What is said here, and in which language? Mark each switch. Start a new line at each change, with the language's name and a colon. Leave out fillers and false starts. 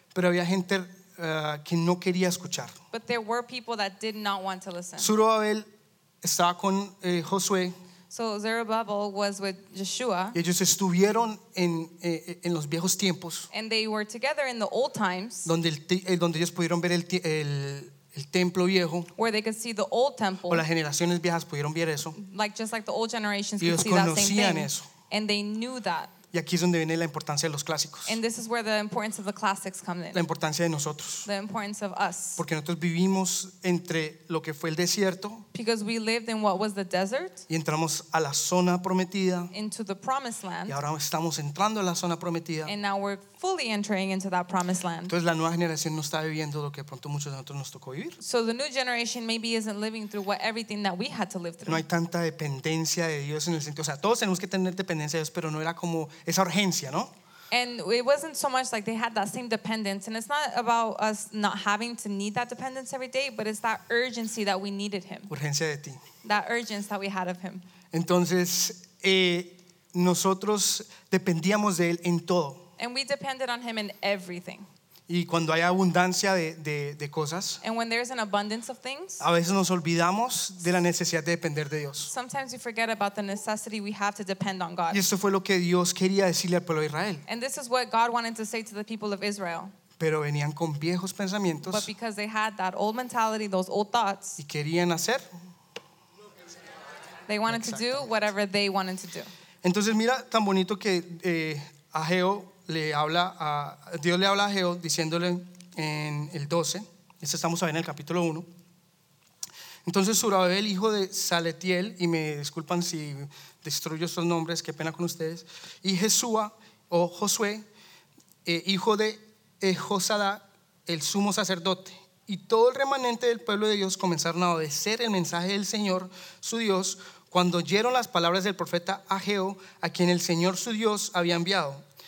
Spanish: Pero había gente que no quería escuchar.
English: But there were people that did not want to listen.
Spanish: Zerubbabel estaba con Josué.
English: So Zerubbabel was with Joshua.
Spanish: Y ellos estuvieron en los viejos tiempos.
English: And they were together in the old times.
Spanish: Donde ellos pudieron ver el templo viejo.
English: Where they could see the old temple.
Spanish: O las generaciones viejas pudieron ver eso.
English: Like just like the old generations
Spanish: y
English: could see that same thing.
Spanish: Ellos conocían eso.
English: And they knew that.
Spanish: Y aquí es donde viene la importancia de los clásicos.
English: And this is where the importance of the classics comes in.
Spanish: La importancia de nosotros.
English: The importance of us.
Spanish: Porque nosotros vivimos entre lo que fue el desierto.
English: Because we lived in what was the desert.
Spanish: Y entramos a la zona prometida.
English: Into the promised land.
Spanish: Y ahora estamos entrando a la zona prometida.
English: And now we're fully entering into that promised land.
Spanish: Entonces la nueva generación no está viviendo lo que pronto muchos de nosotros nos tocó vivir.
English: So the new generation maybe isn't living through what everything that we had to live through.
Spanish: No hay tanta dependencia de Dios en el sentido, o sea, todos tenemos que tener dependencia de Dios, pero no era como esa urgencia, ¿no?
English: And it wasn't so much like they had that same dependence, and it's not about us not having to need that dependence every day, but it's that urgency that we needed Him.
Spanish: Urgencia de ti.
English: That urgency that we had of Him.
Spanish: Entonces nosotros dependíamos de Él en todo.
English: And we depended on Him in everything.
Spanish: Y cuando hay abundancia de cosas,
English: and when there's an abundance of things,
Spanish: a veces nos olvidamos de la necesidad de depender de Dios.
English: Sometimes we forget about the necessity we have to depend on God.
Spanish: Y esto fue lo que Dios quería decirle al pueblo de Israel.
English: And this is what God wanted to say to the people of Israel.
Spanish: Pero venían con viejos pensamientos.
English: But because they had that old mentality, those old thoughts.
Spanish: Y querían hacer.
English: They wanted to do whatever they wanted to do.
Spanish: Entonces mira tan bonito que Ageo le habla a Dios, le habla a Ageo diciéndole en el 12, eso estamos ahí en el capítulo 1, Entonces Zorobabel, hijo de Salatiel, y me disculpan si destruyo estos nombres, qué pena con ustedes, y Jesúa o Josué, hijo de Josadá, el sumo sacerdote, y todo el remanente del pueblo de Dios comenzaron a obedecer el mensaje del Señor su Dios cuando oyeron las palabras del profeta Ageo, a quien el Señor su Dios había enviado.